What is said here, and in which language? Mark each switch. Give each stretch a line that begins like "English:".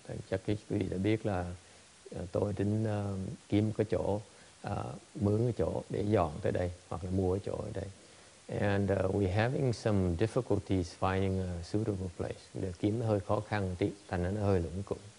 Vietnamese: Chắc quý vị đã biết là tôi tính kiếm cái chỗ, mướn cái chỗ để dọn tới đây hoặc là mua cái chỗ ở đây.
English: And we're having some difficulties finding a suitable place.
Vietnamese: Để kiếm hơi khó khăn tí, thành nó hơi lủng củng.